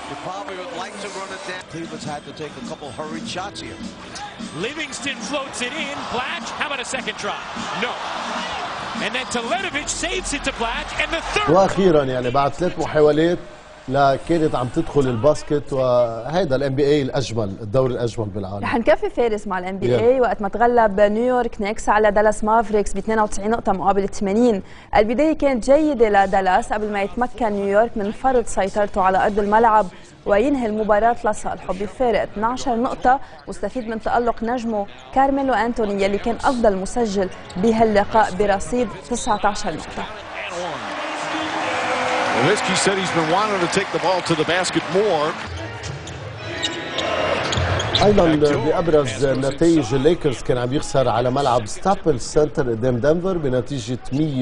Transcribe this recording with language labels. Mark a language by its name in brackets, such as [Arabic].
[English] Probably would like to run it down. Cleveland's had to take a couple hurried shots here. Livingston floats it in. Blatch, how about a second try? No. And then Teletovich saves it to Blatch and the third. [Arabic] وأخيرا يعني بعد ثلاث محاولات لا كانت عم تدخل الباسكت، وهيدا الام بي اي الاجمل، الدوري الاجمل بالعالم. رح نكفي فارس مع الام بي اي وقت ما تغلب نيويورك نيكس على دالاس مافريكس ب 92 نقطه مقابل 80. البدايه كانت جيده لدالاس قبل ما يتمكن نيويورك من فرض سيطرته على ارض الملعب وينهي المباراة لصالحه بفارق 12 نقطة، واستفيد من تألق نجمه كارميلو أنتوني يلي كان أفضل مسجل بهاللقاء برصيد 19 نقطة. [English] Nowitzki said he's been wanting to take the ball to the basket more. [Arabic] ايضا بابرز نتائج الليكرز كان عم يخسر على ملعب ستابل سنتر قدام دنفر بنتيجه 115-137.